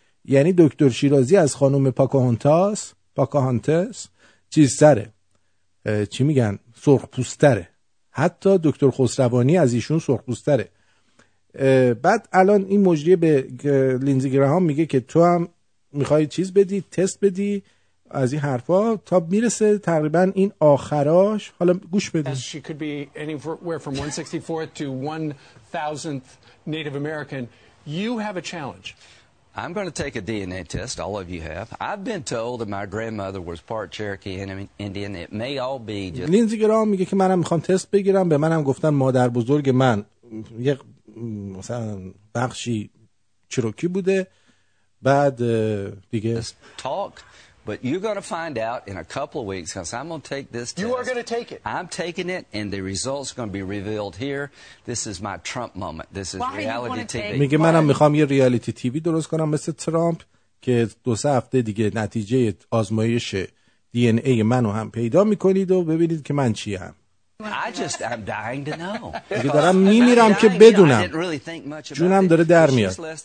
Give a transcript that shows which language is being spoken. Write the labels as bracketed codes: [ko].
[fa] یعنی دکتر شیرازی از خانم پاکاهونتاس چیز تره، چی میگن، سرخپوست تره، حتی دکتر خسروانی از ایشون سرخپوست تره. بعد الان این مجری به لینزی گراهام میگه که تو هم میخوای چیز بدی، تست بدی از این حرفا، تا میرسه تقریبا این آخراش. حالا گوش بدید. [en] She could be anywhere from 164th to 1000th Native American. You have a challenge. I'm going to take a DNA test. All of you have. I've been told that my grandmother was part Cherokee and Indian. It may all be just. [fa] لینزی گراهام میگه که منم میخوام تست بگیرم، به منم گفتن مادر بزرگ من یک مثلا بخشی چروکی بوده. بعد دیگه [en] talk. But you're going to find out in a couple of weeks, because I'm going to take this test. You are going to take it. I'm taking it, and the results are going to be revealed here. This is my Trump moment. This is reality TV. [fa] میگه منم میخوام یه ریالیتی تیوی درست کنم مثل ترامپ، که دو سه هفته دیگه نتیجه آزمایش دی ان ای منو هم پیدا میکنید و ببینید که من چیم. [en] I'm dying to know. [fa] دیگه دارم میمیرم که بدونم. جونم داره در میاد.